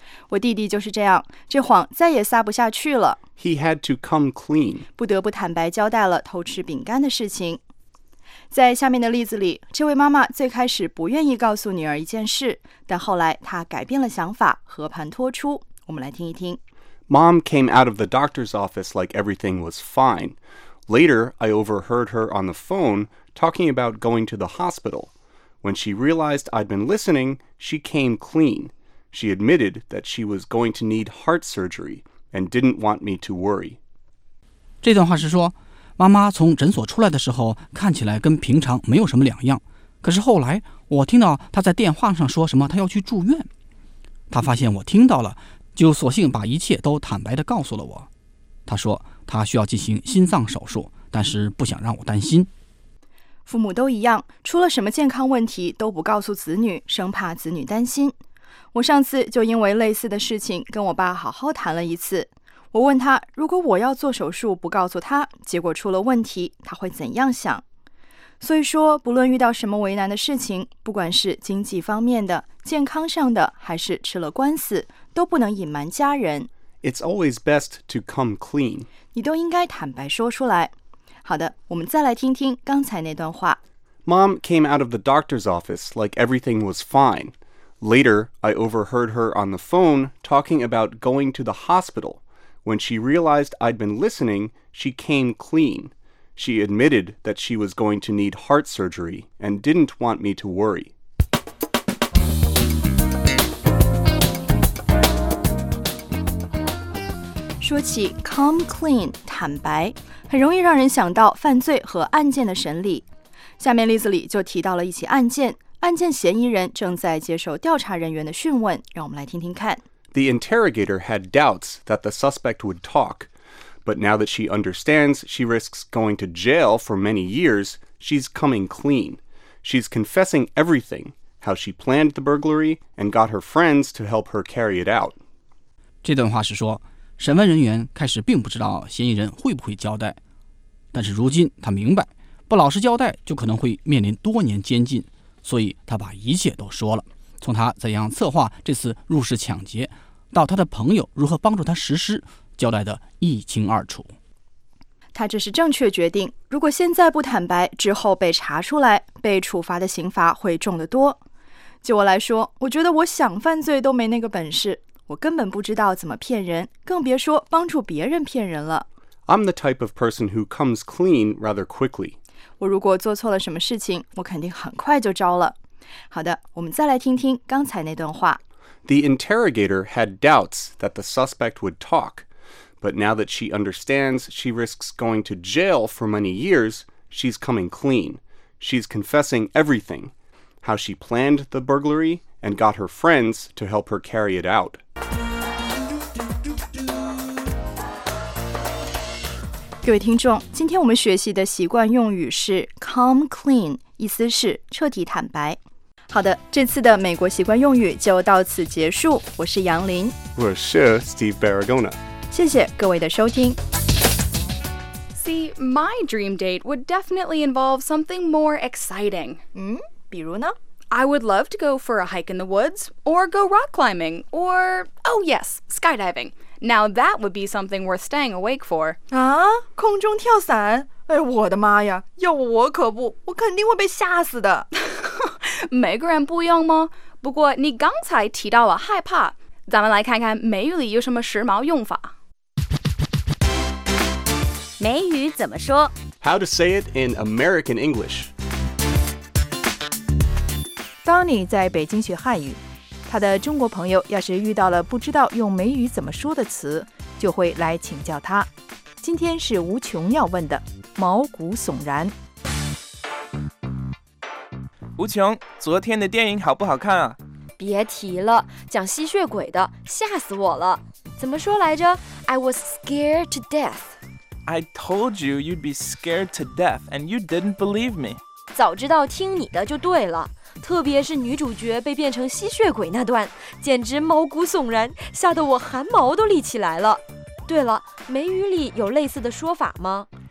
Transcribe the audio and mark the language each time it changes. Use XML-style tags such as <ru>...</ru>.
<zh>我弟弟就是这样，这谎再也撒不下去了。</zh> <en>He had to come clean.</en> <zh>不得不坦白交代了偷吃饼干的事情。在下面的例子里，这位妈妈最开始不愿意告诉女儿一件事，但后来她改变了想法，和盘托出。我们来听一听。</zh> <en>Mom came out of the doctor's office like everything was fine. Later, I overheard her on the phone talking about going to the hospital. When she realized I'd been listening, she came clean. She admitted that she was going to need heart surgery and didn't want me to worry.</en> <zh>这段话是说妈妈从诊所出来的时候看起来跟平常没有什么两样，可是后来我听到她在电话上说什么她要去住院，她发现我听到了，就索性把一切都坦白地告诉了我。她说她需要进行心脏手术，但是不想让我担心。父母都一样，出了什么健康问题都不告诉子女，生怕子女担心。我上次就因为类似的事情跟我爸好好谈了一次。我问他，如果我要做手术不告诉他，结果出了问题，他会怎样想？所以说，不论遇到什么为难的事情，不管是经济方面的、健康上的，还是吃了官司，都不能隐瞒家人。</zh> <en>It's always best to come clean.</en> <zh>你都应该坦白说出来。好的，我们再来听听刚才那段话。</zh> <en>Mom came out of the doctor's office like everything was fine. Later, I overheard her on the phone talking about going to the hospital. When she realized I'd been listening, she came clean. She admitted that she was going to need heart surgery and didn't want me to worry.</en> <zh>说起</zh> <en>come clean,</en> <zh>坦白，很容易让人想到犯罪和案件的审理。下面例子里就提到了一起案件，案件嫌疑人正在接受调查人员的讯问，让我们来听听看。</zh> <en>The interrogator had doubts that the suspect would talk, but now that she understands she risks going to jail for many years, she's coming clean. She's confessing everything, how she planned the burglary and got her friends to help her carry it out.</en> <zh>这段话是说，审问人员开始并不知道嫌疑人会不会交代，但是如今他明白，不老实交代就可能会面临多年监禁，所以他把一切都说了。从他怎样策划这次入室抢劫，到他的朋友如何帮助他实施，交代得一清二楚。他这是正确决定，如果现在不坦白，之后被查出来，被处罚的刑罚会重得多。就我来说，我觉得我想犯罪都没那个本事，我根本不知道怎么骗人，更别说帮助别人骗人了。</zh> <en>I'm the type of person who comes clean rather quickly.</en> <zh>我如果做错了什么事情，我肯定很快就招了。好的，我们再来听听刚才那段话。</zh> <en>The interrogator had doubts that the suspect would talk, but now that she understands she risks going to jail for many years, she's coming clean. She's confessing everything, how she planned the burglary and got her friends to help her carry it out.</en> <zh>各位听众，今天我们学习的习惯用语是</zh> <en>come clean,</en> <zh>意思是彻底坦白。好的，这次的美国习惯用语就到此结束。我是杨林，我是 Steve Barragona。谢谢各位的收听。</zh> <en>See, my dream date would definitely involve something more exciting.</en> <zh>比如呢？</zh> <en>I would love to go for a hike in the woods, or go rock climbing, or, oh yes, skydiving. Now that would be something worth staying awake for.</en> <zh>啊，空中跳伞？哎，我的妈呀！要我可不，我肯定会被吓死的。每个人不一样吗？不过你刚才提到了害怕，咱们来看看美语里有什么时髦用法。美语怎么说？</zh> <en>How to say it in American English.</en> <zh>Donnie 在北京学汉语，他的中国朋友要是遇到了不知道用美语怎么说的词，就会来请教他。今天是无穷要问的，毛骨悚然。吴琼，昨天的电影好不好看啊？别提了，讲吸血鬼的，吓死我了。怎么说来着？</zh> <en>I was scared to death. I told you you'd be scared to death and you didn't believe me.</en> <zh>早知道听你的就对了，特别是女主角被变成吸血鬼那段，简直毛骨悚然，吓得我汗毛都立起来了。对了，美语里有类似的说法吗？</zh>